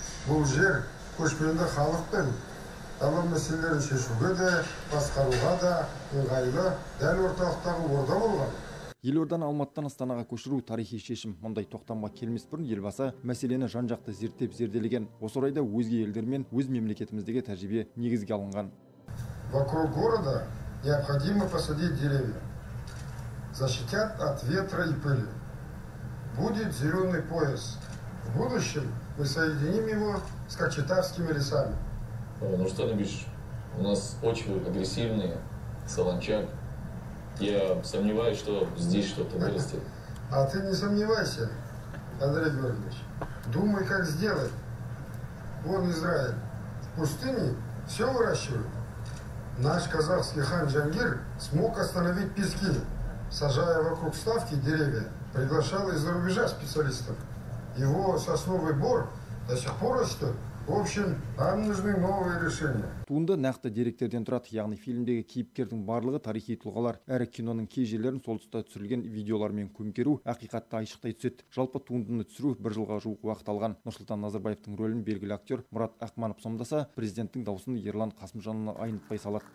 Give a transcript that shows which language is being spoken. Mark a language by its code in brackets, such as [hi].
[kk] Бұл жер көшпенді халықпен дала мәселелерін шешуге де, басқаруға да ыңғайлы дәл орталықтағы орда болған. Елорданы Алматыдан Астанаға көшіру тарихи шешім. Мұндай тоқтамға келмес бұрын елбасы мәселені жан-жақты зерттеп зерделеген. Осы орайда өзге елдермен өз мемлекетіміздегі тәжірибе негізге алынған. [ru] Вокруг города необходимо посадить деревья. Защитят от ветра и пыли. Будет зеленый пояс. В будущем мы соединим его с Кочетавскими лесами. Ну что, Любиш, у нас почвы агрессивные, саланча. Я сомневаюсь, что здесь что-то вырастет. А ты не сомневайся, Андрей Георгиевич. Думай, как сделать. Вон Израиль. В пустыне все выращивают. Наш казахский хан Джангир смог остановить пески, сажая вокруг ставки деревья, приглашал из-за рубежа специалистов. Его сосновый бор до сих пор растет. В общем, нам нужны новые решения. [kk] Туынды нақты деректерден тұрады, яғни фильмдегі кейіпкердің барлығы тарихи тұлғалар. Әрі киноның кей жерлерін сол тұста түсірілген видеолармен көмкеру ақиқатты айшықтай түседі. Жалпы туындыны түсіру бір жылға жуық уақыт алған. Нұрсұлтан Назарбаевтың рөлін белгілі актер Мұрат Ақманов сомдаса, президенттің дауысын Ерлан Қасымжанұлы айнытпай салады.